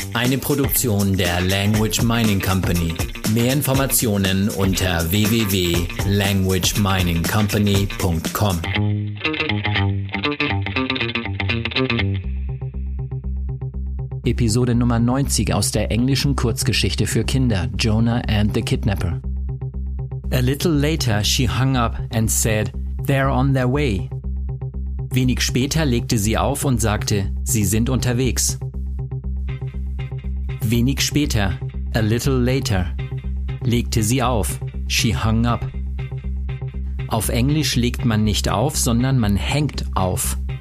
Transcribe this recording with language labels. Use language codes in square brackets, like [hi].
[de] Eine Produktion der Language Mining Company. Mehr Informationen unter www.languageminingcompany.com. Episode Nummer 90 aus der englischen Kurzgeschichte für Kinder, Jonah and the Kidnapper. [en] A little later she hung up and said, they're on their way. [de] Wenig später legte sie auf und sagte, sie sind unterwegs. Wenig später, [en] a little later, [de] legte sie auf, [en] she hung up. [de] Auf Englisch legt man nicht auf, sondern man hängt auf.